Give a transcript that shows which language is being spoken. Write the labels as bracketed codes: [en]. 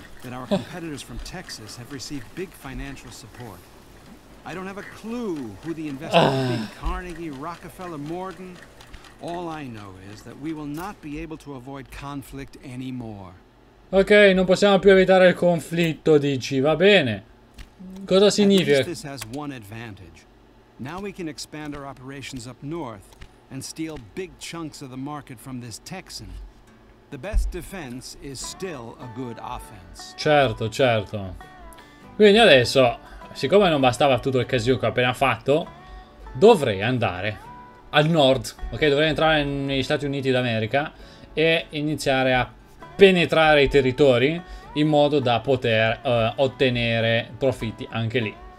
[en] That our competitors from Texas have received big financial support. I don't have a clue who the investors are. Carnegie, Rockefeller, Morgan. All I know is that we will not be able to avoid conflict anymore. [it] Ok, non possiamo più evitare il conflitto, dici. Va bene. Cosa significa? [en] This has one advantage. Now we can expand our operations up north and steal big chunks of the market from this Texan. The best defense is still a good offense. [it] Certo, certo. Quindi adesso, siccome non bastava tutto il casino che ho appena fatto, dovrei andare al nord, ok? Dovrei entrare negli Stati Uniti d'America e iniziare a penetrare i territori in modo da poter ottenere profitti anche lì.